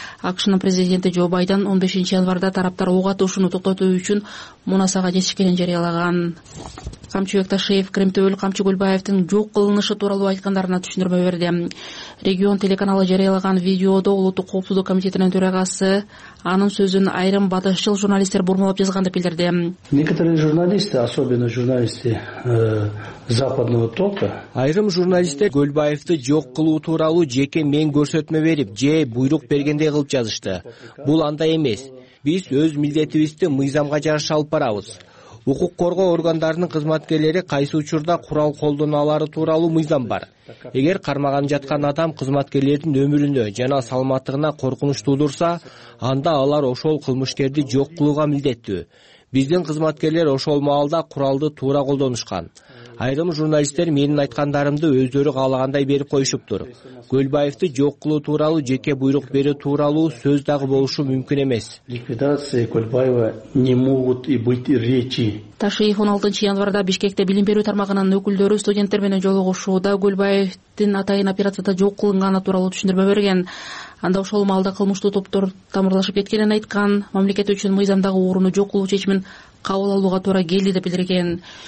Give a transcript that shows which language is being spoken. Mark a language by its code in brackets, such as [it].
[ky] АКШнын президенти Джо Байден 15-январда тараптар ок атышууну токтотуу үчүн мунасага жетишкенин жарыялаган. Камчыбек Ташиев Кремтөөл Камчы Көлбаевдин жок кылынышы тууралуу айткандарына түшүндүрмө берди. Регион телеканалы жарыялаган видеодо улуттук коопсуздук комитетинин төрагасы анын сөзүн айрым батышчыл журналисттер бурмалап жазган деп билдирди. [ru] Некоторые журналисты, особенно журналисты западного толка. [ky] Айрым журналисттер Көлбаевди жок кылуу тууралуу жеке мен көрсөтмө берип же буйрук бергендей кылып жазышты. Бул андай эмес. Биз өз милдетибизди мыйзамга жараша алып барабыз. Укук коргоо органдарынын кызматкерлери кайсы учурда курал колдонулары тууралуу мыйзам бар. Эгер кармаган жаткан адам кызматкерлердин өмүрүнө жана саламаттыгына коркунуч туудурса, анда алар ошол кылмышкерди жок кылууга милдеттүү. Биздин кызматкерлер ошол маалда куралды туура колдонушкан. Айрым журналисттер менин айткандарымды өздөрү каалагандай берип коюшуптур. Көлбаевди жок кылуу тууралуу жеке буйрук берүү тууралуу сөз дагы болушу мүмкүн эмес. [ru] Ликвидация Көлбаева не могут и быть речи. [ky] Ташиев 16-январда Бишкекте билим берүү тармагынын өкүлдөрү студенттер менен жолугушууда Көлбаевдин атайын операцияда жок кылынганы тууралуу түшүндүрмө берген. Анда ошол маалда кылмыштуу топтор тамырлашып кеткенин айткан, мамлекет үчүн мыйзамдагы ууруну жок кылуу чечимин кабыл алууга туура келди деп билдирген.